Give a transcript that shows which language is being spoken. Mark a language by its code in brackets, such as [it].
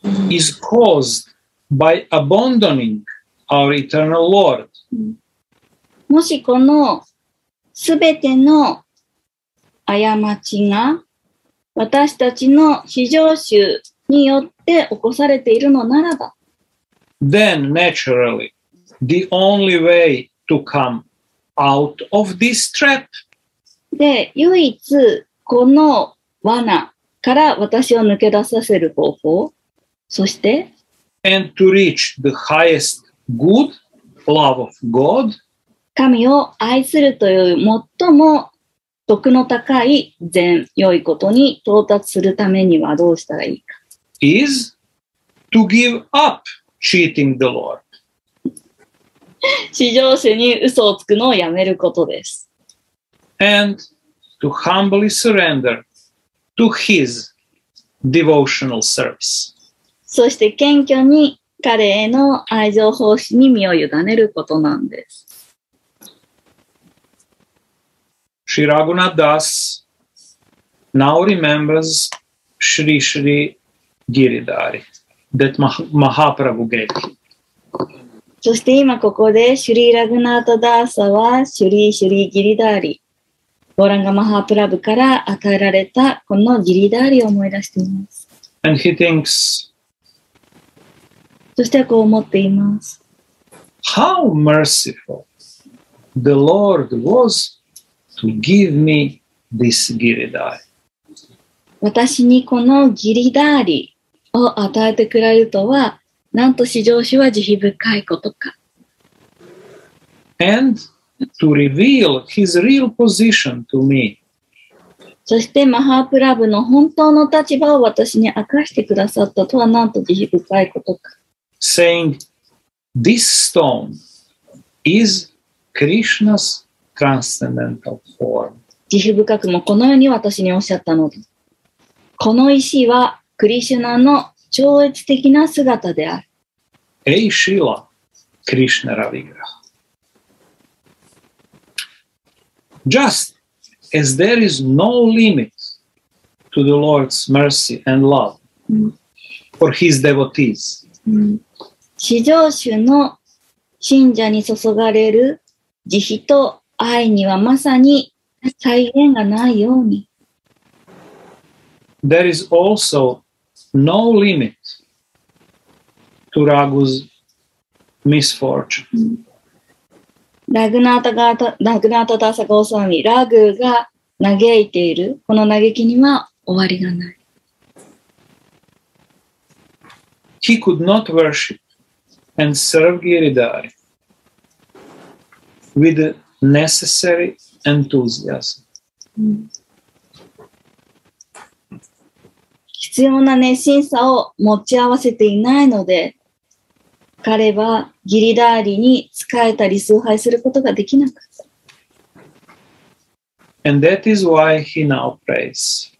[en] Is caused by abandoning our eternal Lord. [ja] もしこのすべての過ちが私たちの非常習によって起こされているのならば、 [en] then naturally, the only way to come out of this trap, [ja] で、唯一この罠から私を抜け出させる方法、そして、 [en] and to reach the highest good, love of God, [ja] 神を愛するという最も徳の高い善、良いことに到達するためにはどうしたらいいか。 [en] is to give up cheating the Lord. [ja] 至上主に嘘をつくのをやめることです。 [en] and to humbly surrender to his devotional service. [ja] そして謙虚に彼への愛情奉仕に身を委ねることなんです。 [en] Shri Raghunath Das now remembers Shri Shri Giridhari that Mahaprabhu gave. [ja] そして今ここで Shri Raghunath Das は Shri Shri Giridhari ボランガマハプラブから与えられたこのギリダーリを思い出しています。 [en] And he thinks, [ja] そしてこう思っています。 [en] How merciful the Lord was to give me this Giridhari. [ja] 私にこのギリダーリを与えてくれるとは、なんと至上主は慈悲深いことか。 [en] And to reveal his real position to me. [ja] そしてマハープラブの本当の立場を私に明かしてくださったとはなんと慈悲深いことか。 [en] Saying, this stone is Krishna's transcendental form. [ja] 慈悲深くもこのように私におっしゃったのです。この石はクリシュナの超越的な姿である。 [en] A Shila, Krishna Ravigraha. Just as there is no limit to the Lord's mercy and love for his devotees. [ja] 至上主の信者に注がれる慈悲と愛にはまさに再現がないように。 [en] There is also no limit to Raghu's misfortune. [ja] ラグナータダサゴーサミ、ラグが嘆いている、この嘆きには終わりがない。 [en] He could not worship and serve Giridhari with necessary enthusiasm. [ja] 必要な熱心さを持ち合わせていないので、彼はギリダーリに仕えたり崇拝することができなかった。 [en] And that is why he now prays.